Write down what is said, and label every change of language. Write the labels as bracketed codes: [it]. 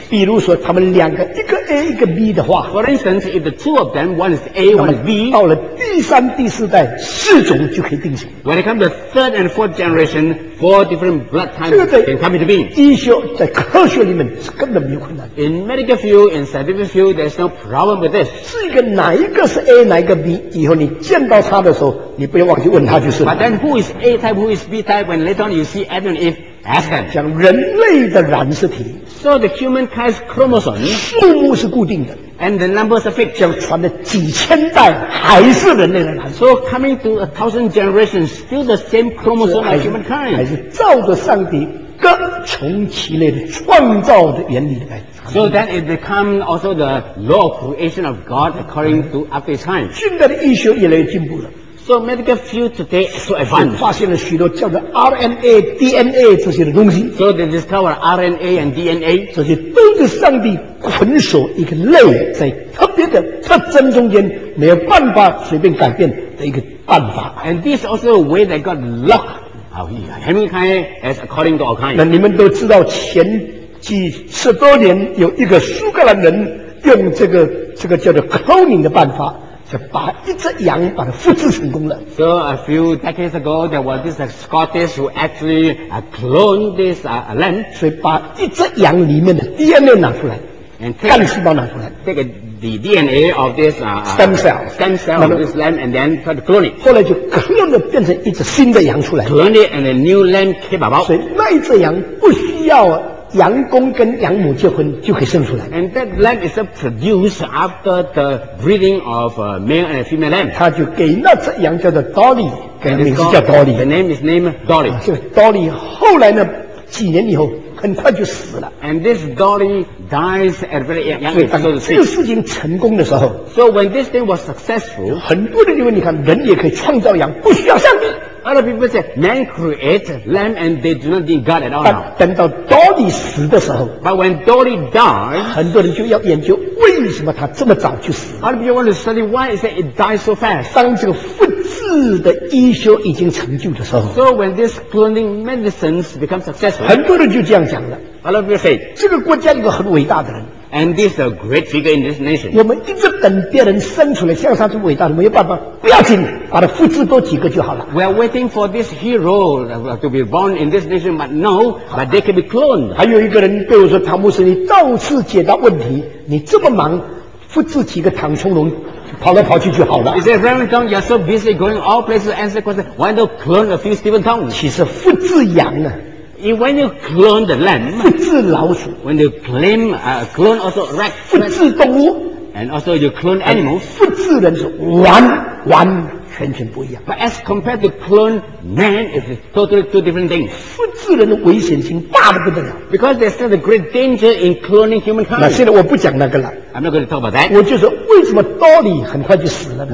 [zh] 比如说他们两个一个 A 一个 B 的话， [en] For instance if the two of them one is A one is B, [zh] 到了第三第四代四种就可以定型。 [en] When it comes to third and fourth generation, four different blood types. [zh] 医学在科学里面是根本没有困难。 [en] In medical field, in scientific field, there's no problem with this. [zh] 是一个哪一个是 A, 哪一个 B, 以后你见到他的时候，你不要忘记问他就是。 [en] But then who is A type, who is B type, when later on you see Adam and Eve, ask them. [zh] 像人类的染色体。 [en] So the human kind's chromosome. [zh] 数目是固定的。 [en] And the numbers are fixed. [zh] 像传了几千代还是人类的男。 [en] So coming to a thousand generations, still the same chromosome as humankind. [zh] 还是照着上帝各从其类的创造的原理来。 [en] So then it becomes also the law of creation of God according to after his time. [zh] 现在的医学越来越进步了。 [en] So medical field today is so advanced. [zh] 发现了许多叫做 RNA, DNA 这些的东西。 [en] So they discover RNA and DNA. [zh] 这些都是上帝捆锁一个类在特别的特征中间没有办法随便改变的一个办法。 [en] And this is also a way that got locked. Humankind as according to our kind. [zh] 那你们都知道前几十多年有一个苏格兰人用这个叫做 cloning 的办法。就把一只羊把它复制成功了。 [en] So a few decades ago, there was this Scottish who actually cloned this lamb. [zh] 所以把一只羊里面的 DNA 拿出来， [en] and [zh] 干细胞拿出来， [en] take the DNA of this stem cell of this lamb and then try to clone it. [zh] 后来就 clone 了变成一只新的羊出来。 [en] Clone it and a new lamb came about. [zh] 所以那一只羊不需要羊公跟羊母结婚就可以生出来。 [en] And that lamb is produced after the breeding of a male and a female lamb. [zh] 他就给那只羊叫做 Dolly， 给名字叫 Dolly。 [en] The name is named Dolly。 [zh] 这个 Dolly 后来呢，几年以后很快就死了。 [en] And this Dolly dies at very young age. [zh] 这个事情成功的时候 [en] ，So when this thing was successful， [zh] 很多人因为你看人也可以创造羊，不需要上帝。 [en] Other people say, man created lamb and they do not need God at all. [zh] 但等到 Dolly 死的时候， [en] But when Dolly dies, [zh] 很多人就要研究为什么他这么早就死了。 [en] Other people want to study why is that it died so fast. [zh] 当这个复制的医学已经成就的时候， [en] So when this cloning medicines become successful, [zh] 很多人就这样讲了。 [en] Other people say, [zh] 这个国家有个很伟大的人， [en] and this is a great figure in this nation. [zh] 我们一直等别人生出来像他这么伟大的，没有办法，不要紧，把他复制多几个就好了。 [en] We are waiting for this hero to be born in this nation, but no, but they can be cloned. [zh] 还有一个人对我说：“唐牧师，你到处解答问题，你这么忙，复制几个唐青龙。” 跑来跑去就好了。 [en] He said, Reverend Tong, you're so busy going all places to answer questions. Why don't clone a few Stephen Tong? [zh] 其实复制羊呢 [en] ？If when you clone the lamb, [zh] 复制老鼠 [en] ；when you claim clone also rat, [zh] 复制动物 [en] ；and also you clone animals, [zh] 复制人是完全全不一样。 [en] But as compared to clone man, it's totally two different things. [zh] 复制人的危险性大得不得了。 [en] Because there's still a great danger in cloning humankind. [zh] 那现在我不讲那个了。 [en] I'm not going to talk about that. [zh] 我就说为什么 Dolly 很快就死了呢